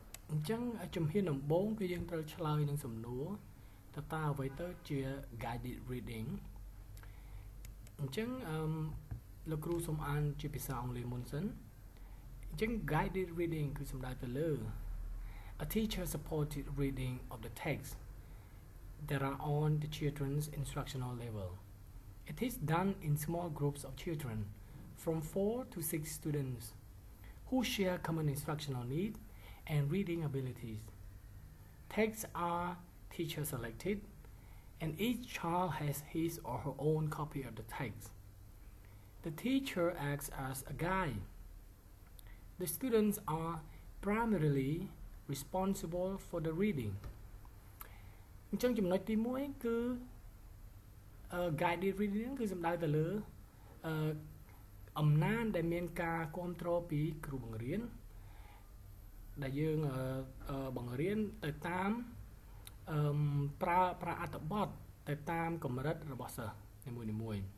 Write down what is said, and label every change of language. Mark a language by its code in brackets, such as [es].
[km] អញ្ចឹងជំហានដំបូងគឺយើងត្រូវឆ្លើយនឹងសំណួរតើតើអ្វីទៅជា guided reading អញ្ចឹងលោកគ្រូសូមអានជាភាសាអង់គ្លេសមុនសិនអញ្ចឹង guided reading គឺសំដៅទៅលើ [en] a teacher supported reading of the textThat are on the children's instructional level. It is done in small groups of children, from 4 to 6 students, who share common instructional need and reading abilities. Texts are teacher selected, and each child has his or her own copy of the text. The teacher acts as a guide. The students are primarily responsible for the reading. [km] អញ្ចឹងចំណុចទី1គឺguided reading គឺសំដៅទៅលើអំណានដែលមានការគ្រប់គ្រងពីគ្រូបង្រៀនដែលយើងបង្រៀនទៅតាមប្រើអត្ថបទទៅតាមកម្រិតរបស់សិស្សនីមួយ